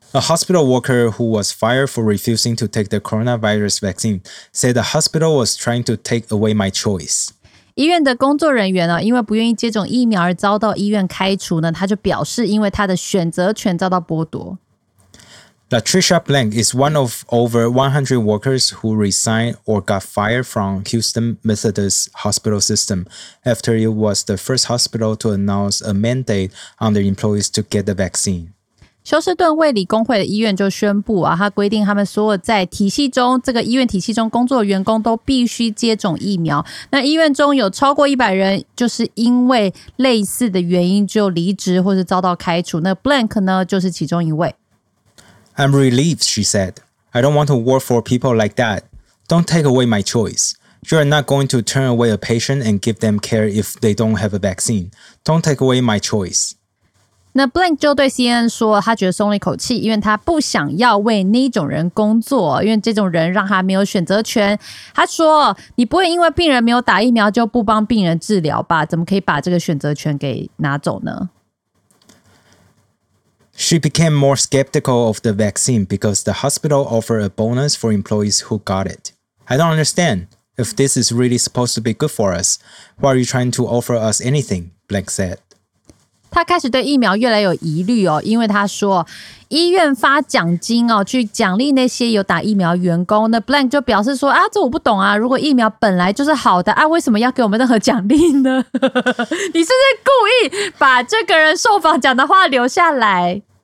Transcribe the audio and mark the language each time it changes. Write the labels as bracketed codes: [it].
[en] A hospital worker who was fired for refusing to take the coronavirus vaccine said the hospital was trying to take away my choice。 [zh] 医院的工作人员呢，因为不愿意接种疫苗而遭到医院开除呢，他就表示因为他的选择权遭到剥夺。 [en] Latricia Blank is one of over 100 workers who resigned or got fired from Houston Methodist Hospital System after it was the first hospital to announce a mandate on their employees to get the vaccine. [zh] 休斯顿卫理公会的医院就宣布啊，他规定他们所有在体系中，这个医院体系中工作的员工都必须接种疫苗。那医院中有超过100人就是因为类似的原因就离职或是遭到开除。那 Blank 呢，就是其中一位。 [en] I'm relieved, she said. I don't want to work for people like that. Don't take away my choice. You're not going to turn away a patient and give them care if they don't have a vaccine. Don't take away my choice. [zh] 那 Blank 就对 CNN 说，他觉得松了一口气，因为他不想要为那种人工作，因为这种人让他没有选择权。他说，你不会因为病人没有打疫苗就不帮病人治疗吧？怎么可以把这个选择权给拿走呢？ [en] She became more skeptical of the vaccine because the hospital offered a bonus for employees who got it. I don't understand. If this is really supposed to be good for us, why are you trying to offer us anything? Blank said. [zh] 他开始对疫苗越来越有疑虑哦，因为他说医院发奖金哦，去奖励那些有打疫苗员工。那 Blank 就表示说啊，这我不懂啊，如果疫苗本来就是好的啊，为什么要给我们任何奖励呢？你是不是故意把这个人受访讲的话留下来？